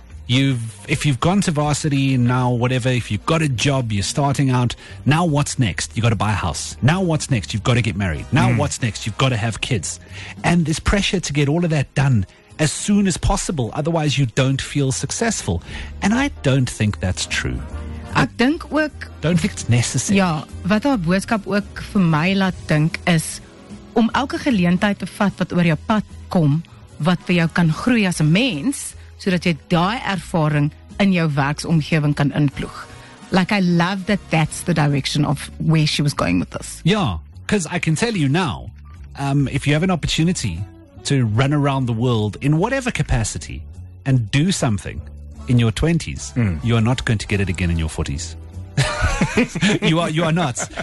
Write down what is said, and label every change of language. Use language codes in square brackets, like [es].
[en] If you've gone to varsity and now whatever, if you've got a job, you're starting out, now what's next? You've got to buy a house. Now what's next? You've got to get married. Now what's next? You've got to have kids. And this pressure to get all of that done as soon as possible, otherwise you don't feel successful. And I don't think that's true. [af] Ek dink ook, [en] don't think it's necessary. [af] Ja, wat haar boodskap ook vir my laat dink is om elke geleentheid te vat wat oor jou pad kom, wat vir jou kan groei as 'n mens, sodat jy daai ervaring in jou werksomgewing kan inploeg. [en] Like I love that that's the direction of where she was going with this. Ja, because I can tell you now, if you have an opportunity to run around the world in whatever capacity and do something in your 20s, you are not going to get it again in your 40s. you are not.